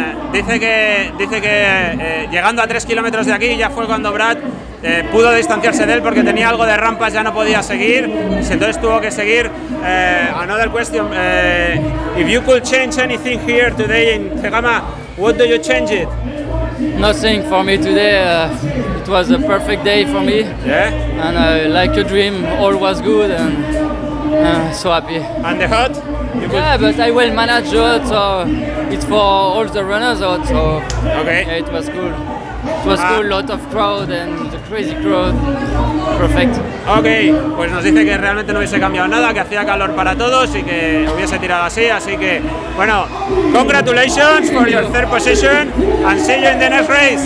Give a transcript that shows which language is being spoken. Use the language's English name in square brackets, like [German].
[Spanish] Dice que llegando a 3 kilómetros de aquí ya fue cuando Brad pudo distanciarse de él porque tenía algo de rampas, ya no podía seguir, entonces tuvo que seguir. [English] Another question, if you could change anything here today in Cegama, what do you change it? Nothing for me today. It was a perfect day for me. Yeah. And like a dream, all was good and so happy. And the hot? Yeah, but I will manage it. So it's for all the runners out. So okay. Yeah, it was cool. It was cool. Lot of crowd and the crazy crowd. Perfect. Okay. [Spanish] Pues nos dice que realmente no hubiese cambiado nada, que hacía calor para todos y que hubiese tirado así. Así que bueno, [English] congratulations for your third position and see you in the next race.